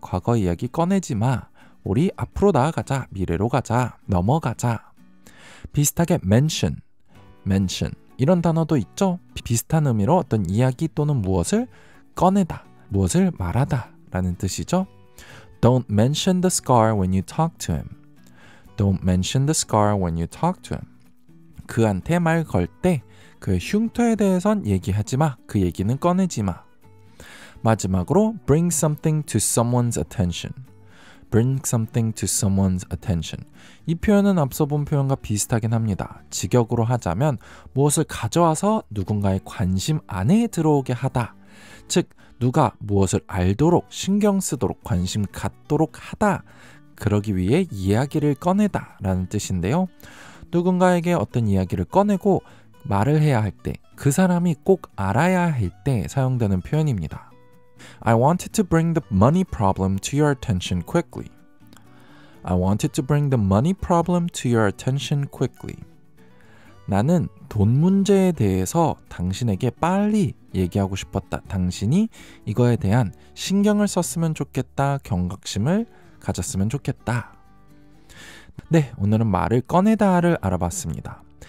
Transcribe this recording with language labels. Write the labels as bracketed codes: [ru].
[ko] 과거 이야기 꺼내지 마. 우리 앞으로 나아가자. 미래로 가자. 넘어가자. 비슷하게 mention, mention 이런 단어도 있죠. 비슷한 의미로 어떤 이야기 또는 무엇을 꺼내다, 무엇을 말하다 라는 뜻이죠. [en] Don't mention the scar when you talk to him. Don't mention the scar when you talk to him. [ko] 그한테 말 걸 때 그의 흉터에 대해선 얘기하지 마. 그 얘기는 꺼내지 마. 마지막으로 [en] bring something to someone's attention. Bring something to someone's attention. [ko] 이 표현은 앞서 본 표현과 비슷하긴 합니다. 직역으로 하자면 무엇을 가져와서 누군가의 관심 안에 들어오게 하다. 즉, 누가 무엇을 알도록 신경 쓰도록 관심 갖도록 하다. 그러기 위해 이야기를 꺼내다 라는 뜻인데요. 누군가에게 어떤 이야기를 꺼내고 말을 해야 할 때, 그 사람이 꼭 알아야 할 때 사용되는 표현입니다. [en] I wanted to bring the money problem to your attention quickly. I wanted to bring the money problem to your attention quickly. [ko] 나는 돈 문제에 대해서 당신에게 빨리 얘기하고 싶었다. 당신이 이거에 대한 신경을 썼으면 좋겠다. 경각심을 가졌으면 좋겠다. 네, 오늘은 말을 꺼내다를 알아봤습니다.